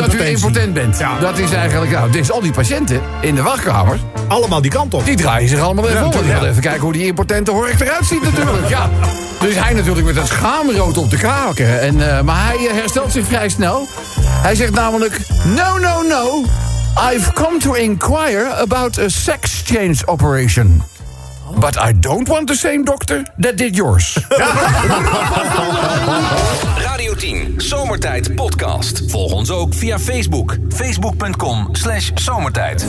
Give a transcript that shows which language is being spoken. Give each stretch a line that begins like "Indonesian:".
Dutch: Dat u impotent bent. Ja. Dat is eigenlijk, dus al die patiënten in de wachtkamer. Allemaal die kant op. Die draaien zich allemaal even om. Ja. Even kijken hoe die impotente hork eruit ziet natuurlijk. Ja. Dus hij natuurlijk met dat schaamrood op de kaken. Maar hij herstelt zich vrij snel. Hij zegt namelijk, no.
English: I've come to inquire about a sex change operation. But I don't want the same doctor that did yours.
Dutch: Radio 2010. Zomertijd podcast. Volg ons ook via Facebook. Facebook.com/zomertijd.